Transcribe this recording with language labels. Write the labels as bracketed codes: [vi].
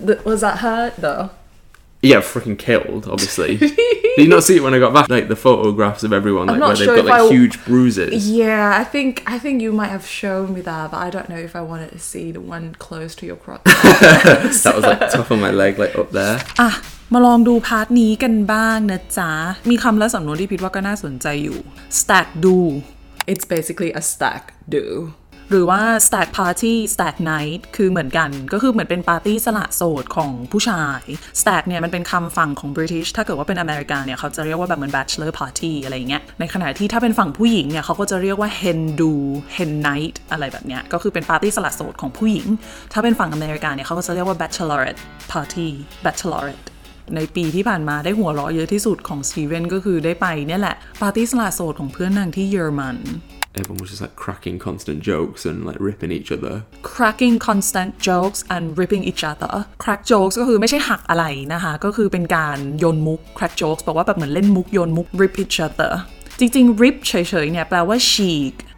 [en] Was that hurt, though? Yeah, freaking killed, obviously. Did you not see it when I got back? Like, the photographs of everyone, like, where they've got, like, huge bruises. Yeah, I think you might have shown me that, but I don't know if I wanted to see the one close to your crotch. That was, like, top of my leg, like, up there. [th] Ah, มาลองดูพาร์ทนี้กันบ้างนะจ๊ะมีคำและสำนวนที่พิดว่าก็น่าสนใจอยู่ Stack do. [en] It's basically a stack do. [th] หรือว่า stag party stag night คือเหมือนกันก็คือเหมือนเป็นปาร์ตี้สละโสดของผู้ชาย stag เนี่ยมันเป็นคำฝั่งของ British ถ้าเกิดว่าเป็นอเมริกันเนี่ยเขาจะเรียกว่าแบบเหมือน bachelor party อะไรเงี้ยในขณะที่ถ้าเป็นฝั่งผู้หญิงเนี่ยเขาก็จะเรียกว่า hen do hen night อะไรแบบเนี้ยก็คือเป็นปาร์ตี้สละโสดของผู้หญิงถ้าเป็นฝั่งอเมริกันเนี่ยเขาก็จะเรียกว่า bachelorette party bachelorettในปีที่ผ่านมาได้หัวเราะเยอะที่สุดของสตีเวนก็คือได้ไปเนี่ยแหละปาร์ตี้สละโสดของเพื่อนนางที่เยอรมัน [en] everyone was just like cracking constant jokes and like ripping each other. Cracking constant jokes and ripping each other. [th] Crack jokes ก็คือไม่ใช่หักอะไรนะคะก็คือเป็นการโยนมุก crack jokes บอกว่าแบบเหมือนเล่นมุกโยนมุก [en] rip each other [th] จริงๆ rip เฉยๆเนี่ยแปลว่า chic